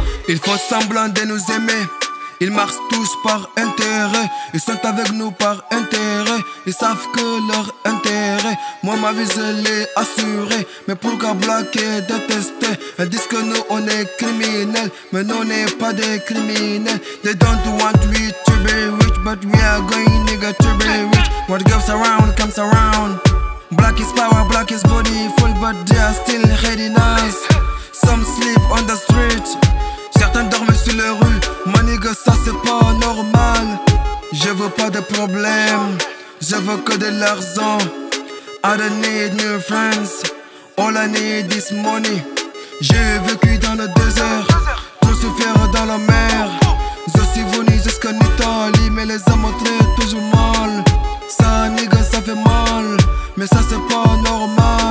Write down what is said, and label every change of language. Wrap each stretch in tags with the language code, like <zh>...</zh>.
<fr>Ils font semblant de nous aimer, ils marchent tous par intérêt. Ils sont avec nous par intérêt, ils savent que leur intérêt. Moi ma vie je l'ai assurée, mais pourquoi blaguer, détester? Elles disent que nous on est criminels, mais nous on n'est pas des criminels.</fr> <en>They don't want we to be rich, but we are going nigga to be rich. What goes around comes around. Black is power, black is body full, but they are still really nice. Some sleep on the street,</en> <fr>certains dorment sur les rues. Manigue, ça c'est pas normal. Je veux pas de problème, je veux que de l'argent.</fr> <en>I don't need new friends, all I need is money.</en> <fr>J'ai vécu dans le désert, trop souffert dans la mer. Je suis venu jusqu'en Italie, mais les hommes traitent toujours mal. Ça nigga, ça fait mal, mais ça c'est pas normal.</fr>